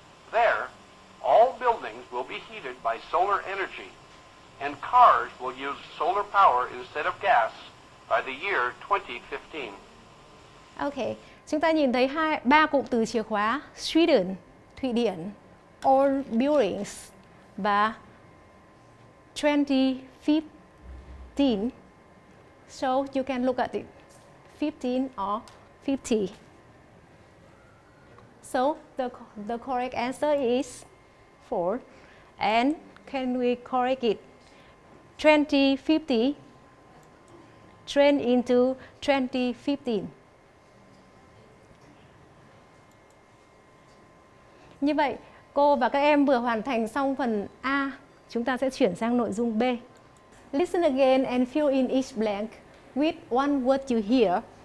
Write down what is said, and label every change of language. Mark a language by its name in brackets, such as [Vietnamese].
[English] There, all buildings will be heated by solar energy, and cars will use solar power instead of gas by the year 2015. [Vietnamese] Okay, chúng ta nhìn thấy ba cụm từ chìa khóa: Sweden, Thụy Điển, [English] all buildings, [Vietnamese] và 2015. [English] So you can look at it, 15 or 50. So the correct answer is 4, and can we correct it? 2050 turn into 2015. [Vietnamese] Như vậy, cô và các em vừa hoàn thành xong phần A, chúng ta sẽ chuyển sang nội dung B. [English] Listen again and fill in each blank with one word you hear.